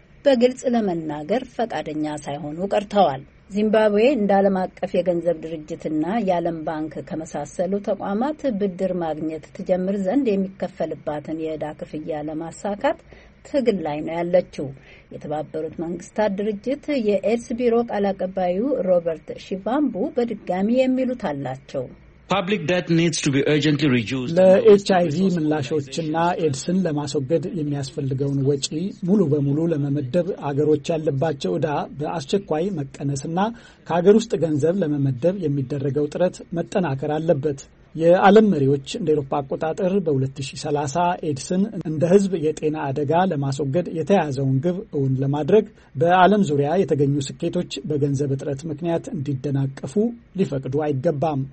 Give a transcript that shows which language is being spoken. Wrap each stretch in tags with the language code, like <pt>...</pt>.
<am>በግልጽ ለመናገር ፈቃደኛ ሳይሆኑ ቀርተዋል። ዚምባብዌ እንደ ዓለም አቀፍ የገንዘብ ድርጅትና የዓለም ባንክ ከመሳሰሉ ተቋማት ብድር ማግኘት ትጀምር ዘንድ የሚከፈልባትን የዕዳ ክፍያ ለማሳካት ትግል ላይ ነው ያለችው። የተባበሩት መንግስታት ድርጅት የኤድስ ቢሮ ቃል አቀባዩ ሮበርት ሺቫምቡ በድጋሚ የሚሉት አላቸው።</am> <en>Public debt needs to be urgently reduced.</en> <am>ለኤችአይቪ ምላሾችና ኤድስን ለማስወገድ የሚያስፈልገውን ወጪ ሙሉ በሙሉ ለመመደብ አገሮች ያለባቸው ዕዳ በአስቸኳይ መቀነስና ከአገር ውስጥ ገንዘብ ለመመደብ የሚደረገው ጥረት መጠናከር አለበት። የዓለም መሪዎች እንደ አውሮፓ አቆጣጠር በ2030 ኤድስን እንደ ህዝብ የጤና አደጋ ለማስወገድ የተያዘውን ግብ እውን ለማድረግ በዓለም ዙሪያ የተገኙ ስኬቶች በገንዘብ እጥረት ምክንያት እንዲደናቀፉ ሊፈቅዱ አይገባም።</am>